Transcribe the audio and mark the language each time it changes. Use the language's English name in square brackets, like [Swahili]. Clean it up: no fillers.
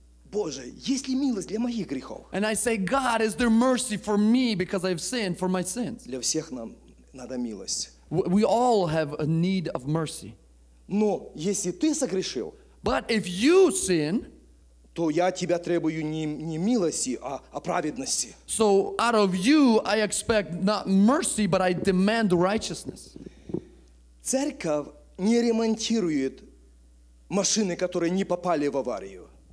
[Russian] Боже, есть ли милость для моих грехов? [English] And I say, God, is there mercy for me because I've sinned, for my sins? [Russian] Для всех нам надо милость. [English] We all have a need of mercy. [Russian] Но если ты согрешил, [English] but if you sin, [Russian] то я тебя требую не милости, а праведности. [English] So out of you I expect not mercy, but I demand righteousness. [Russian] Церковь не ремонтирует машины, которые не попали в аварию.